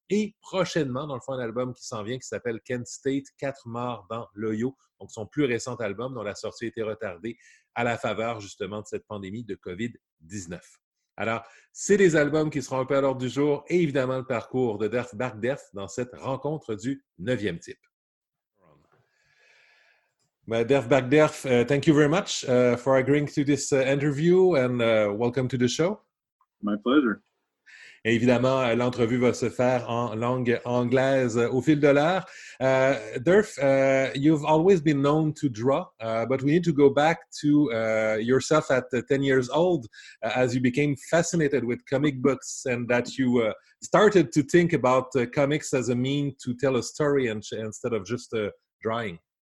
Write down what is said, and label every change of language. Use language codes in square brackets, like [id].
[fr] Et prochainement, dans le fond, un album qui s'en vient qui s'appelle « Kent State, 4 morts dans l'Ohio », donc son plus récent album dont la sortie a été retardée à la faveur justement de cette pandémie de COVID-19. Alors, c'est les albums qui seront un peu à l'ordre du jour et évidemment le parcours de Derf Bagderf dans cette rencontre du 9e type. [en] Derf Bagderf, thank you very much for agreeing to this interview and welcome to the show. My pleasure. [fr] Et évidemment, l'entrevue va se faire en langue anglaise au fil de l'heure. [en] Derf, you've always been known to draw, but we need to go back to yourself at 10 years old, as you became fascinated with comic books and that you started to think about comics as a means to tell a story instead of just drawing.